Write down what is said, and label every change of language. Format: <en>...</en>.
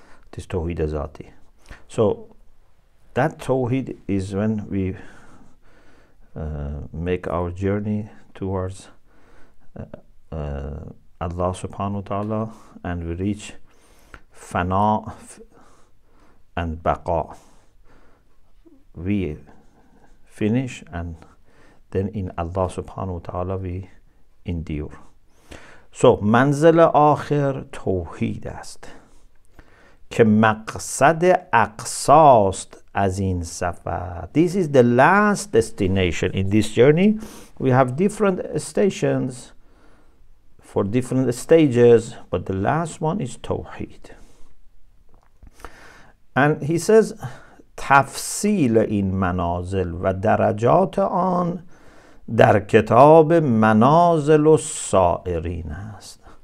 <en>This Tawhid Zati. So that Tawhid is when we make our journey towards Allah Subhanahu Wa Ta'ala and we reach Fana and Baqa. We finish and then in Allah Subhanahu Wa Ta'ala we endure.</en> <fa>So Manzala Akhir Tawhid است. که مقصد اقصاست</fa> <en>as in Safar. This is the last destination in this journey. We have different stations for different stages, but the last one is Tawheed. And he says,</en> <fa>تفصیل این منازل و درجات آن در کتاب منازل و سائرین است.</fa>